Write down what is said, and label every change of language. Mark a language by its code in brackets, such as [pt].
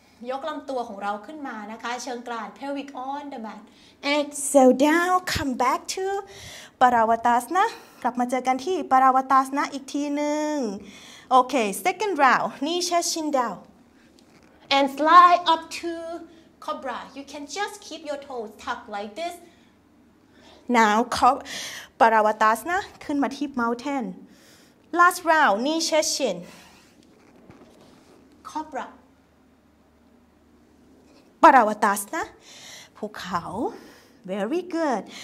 [th] ยกลำตัวของเราขึ้นมานะคะเชิงกราน pelvic on the mat. [en] Exhale down, come back to paravatasana. [th] กลับมาเจอกันที่ [en] paravatasana อีกทีหนึ่ง Okay, second round, knee chest chin down. And slide up to... Cobra, you can just keep your toes tucked like this. Now, Paravatasana, ขึ้นมาที่ mountain. Last round, knee chest chin. Cobra. Paravatasana, ภูเขา. Very good.